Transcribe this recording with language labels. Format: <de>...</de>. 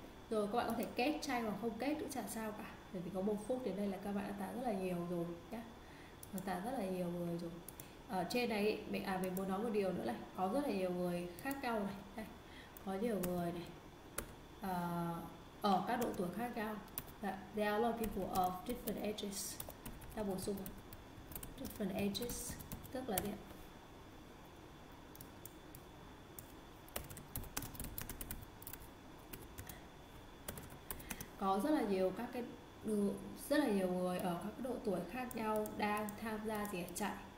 <vi>Rồi các bạn có thể kết tranh hoặc không kết cũng chẳng sao cả, bởi vì có một phút đến đây là các bạn đã tả rất là nhiều rồi nhé, đã tả rất là nhiều người rồi. Ở trên này mình mình muốn nói một điều nữa này, có rất là nhiều người khác nhau này, đây. Có nhiều người này ở các độ tuổi khác nhau.</vi> <en>There are a lot of people of different ages.</en> <vi>Ta bổ sung</vi> <en>different ages</en> <vi>tức là gì ạ? Có rất là nhiều các cái rất là nhiều người ở các độ tuổi khác nhau đang tham gia gì chạy.</vi>